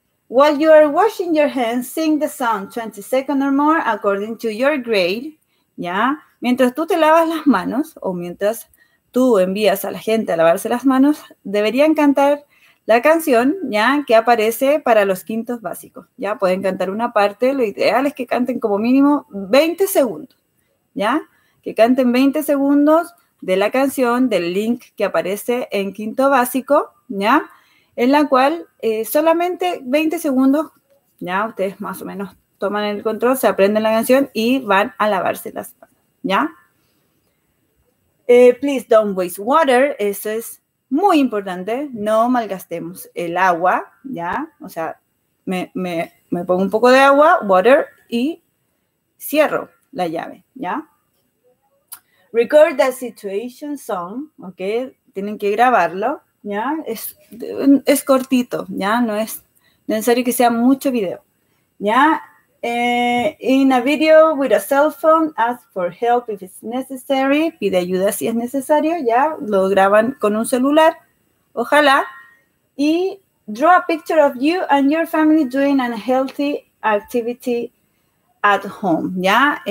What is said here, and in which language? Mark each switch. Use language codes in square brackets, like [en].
[en] While you are washing your hands, sing the song 20 seconds or more according to your grade, ¿ya? [es] Mientras tú te lavas las manos o mientras tú envías a la gente a lavarse las manos, deberían cantar la canción, ¿ya? Que aparece para los quintos básicos, ¿ya? Pueden cantar una parte, lo ideal es que canten como mínimo 20 segundos, ¿ya? Que canten 20 segundos de la canción, del link que aparece en quinto básico, ¿ya? En la cual solamente 20 segundos, ¿ya? Ustedes más o menos toman el control, se aprenden la canción y van a lavarse las manos. [en] ¿Ya? Please don't waste water. [es] Eso es muy importante. No malgastemos el agua, ¿ya? O sea, me pongo un poco de agua, water, y cierro la llave, ¿ya? [en] Record the situation song, ¿ok? [es] Tienen que grabarlo, ¿ya? Es cortito, ¿ya? No es necesario que sea mucho video, ¿ya? [en] In a video with a cell phone, ask for help if it's necessary. [es] Pide ayuda si es necesario, ¿ya? Lo graban con un celular, ojalá. [en] Y draw a picture of you and your family doing a healthy activity at home, ¿ya?